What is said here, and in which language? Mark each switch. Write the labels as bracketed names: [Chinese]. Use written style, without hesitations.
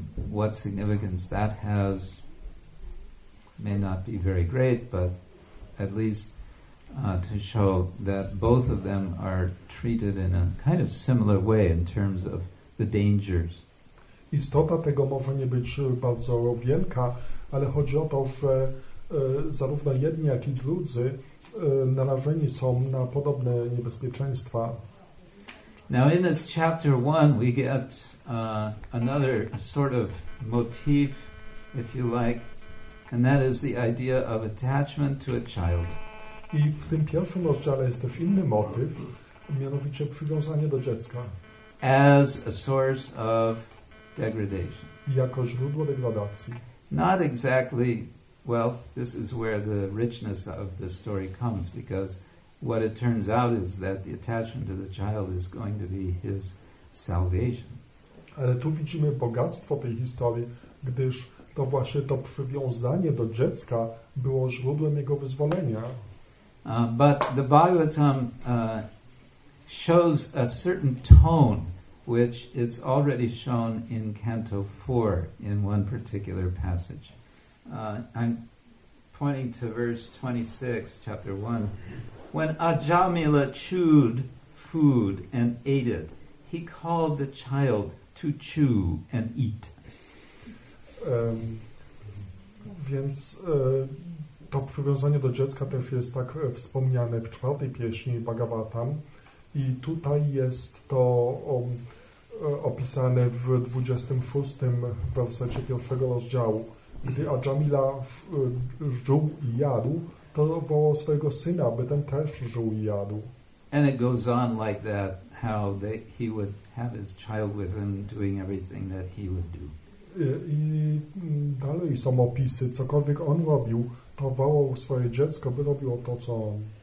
[English] What significance that has may not be very great, but at least to show that both of them are treated in a kind of similar way in terms of the dangers. [Polish] Istota tego może nie być bardzo wielka, ale chodzi o to, że zarówno jedni, jak i drudzy narażeni są na podobne niebezpieczeństwa. [English] Now in this chapter 1 we get another sort of motif, if you like, and that is the idea of attachment to a child. [Polish] I w tym pierwszym rozdziale jest też inny motyw, mianowicie przywiązanie do dziecka. [English] As a source of degradation. [Polish] Jako źródło degradacji. [English] Not exactly, well, this is where the richness of the story comes, because what it turns out is that the attachment to the child is going to be his salvation. [Polish] Ale tu widzimy bogactwo tej historii, gdyż to właśnie to przywiązanie do dziecka było źródłem jego wyzwolenia. [English] But the Bhagavatam shows a certain tone, which it's already shown in Canto 4 in one particular passage. I'm pointing to verse 26, chapter 1. When Adjamila chewed food and ate it, he called the child to chew and eat. [Polish] Więc to przywiązanie do dziecka też jest tak wspomniane w czwartej pieśni Bhagavatam i tutaj jest to opisane w 26 wersecie pierwszego rozdziału. Gdy Adjamila żuł i jadł, to wołał swojego syna, by ten też żuł i jadł. [English] And it goes on like that, how they, he would have his child with him doing everything that he would do. [Polish] I dalej są opisy, cokolwiek on robił, to wołał swoje dziecko, by robiło to, co on.